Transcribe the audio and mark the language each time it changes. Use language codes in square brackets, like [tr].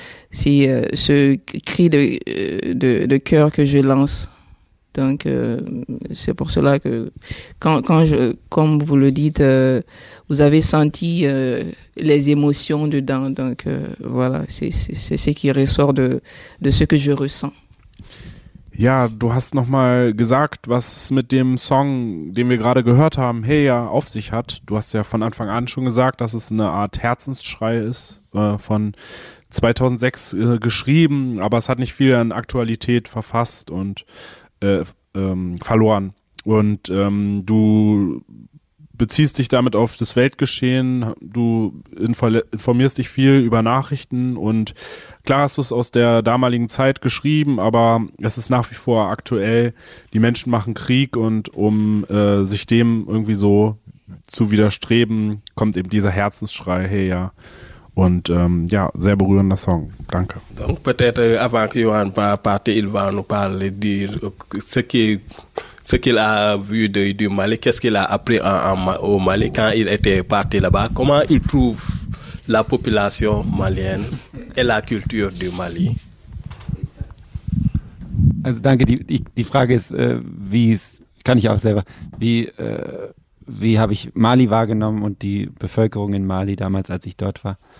[fr] C'est ce cri de cœur que je lance. Donc c'est pour cela que comme vous le dites, vous avez senti les émotions dedans. Donc voilà, c'est ce qui ressort de ce que je ressens. [de] Ja, du hast nochmal gesagt, was es mit dem Song, den wir gerade gehört haben, Heya, auf sich hat. Du hast ja von Anfang an schon gesagt, dass es eine Art Herzensschrei ist, von 2006 geschrieben, aber es hat nicht viel an Aktualität verfasst und verloren. Und du beziehst dich damit auf das Weltgeschehen, du informierst dich viel über Nachrichten und klar hast du es aus der damaligen Zeit geschrieben, aber es ist nach wie vor aktuell, die Menschen machen Krieg und um sich dem irgendwie so zu widerstreben, kommt eben dieser Herzensschrei her, ja. Und ja, sehr berührender Song. Danke. [fr] Donc peut-être avant que Johan parte, il va nous parler de ce qu'il a vu du Mali, qu'est-ce qu'il a appris au Mali quand il était parti là-bas, comment il trouve la population malienne et la culture du Mali. [de] Also danke, die Frage ist, wie habe ich Mali wahrgenommen und die Bevölkerung in Mali damals, als ich dort war?